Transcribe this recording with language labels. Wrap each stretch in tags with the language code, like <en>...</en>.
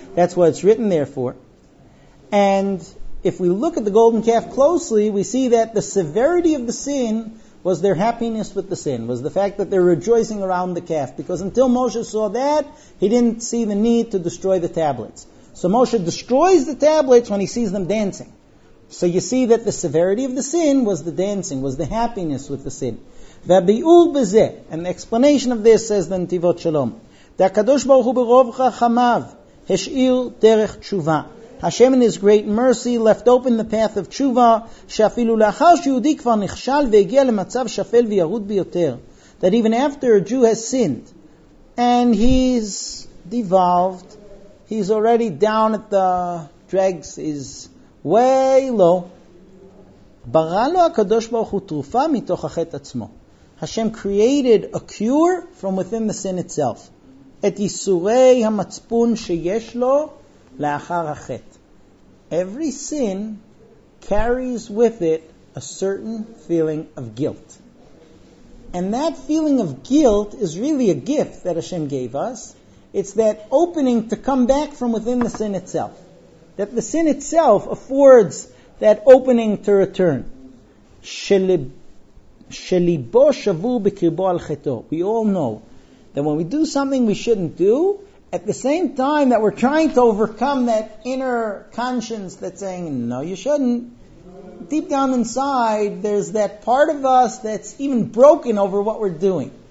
<en>That's what it's written there for. And if we look at the golden calf closely, we see that the severity of the sin was their happiness with the sin, was the fact that they're rejoicing around the calf. Because until Moshe saw that, he didn't see the need to destroy the tablets. So Moshe destroys the tablets when he sees them dancing. So you see that the severity of the sin was the dancing, was the happiness with the sin.</en> <he>והביאור בזה,</he> <en>an explanation of this says the</en> <he>נתיבות שלום, that הקדוש ברוך הוא ברוב חכמיו השאיר דרך תשובה.</he> <en>Hashem in his great mercy left open the path of tshuva,</en> <he>שאפילו לאחר שיהודי כבר נכשל והגיע למצב שפל וירוד ביותר,</he> <en>that even after a Jew has sinned and he's devolved, he's already down at the dregs, is way low,</en> <he>ברא לו הקדוש ברוך הוא תרופה מתוך החטא עצמו.</he> <en>Hashem created a cure from within the sin itself.</en> <he>את ייסורי המצפון שיש לו לאחר החטא.</he> <en>Every sin carries with it a certain feeling of guilt. And that feeling of guilt is really a gift that Hashem gave us. It's that opening to come back from within the sin itself. That the sin itself affords that opening to return.</en> <he>שליבו שבור בקרבו על חטאו.</he> <en>We all know that when we do something we shouldn't do, at the same time that we're trying to overcome that inner conscience that's saying, no, you shouldn't, deep down inside, there's that part of us that's even broken over what we're doing.</en>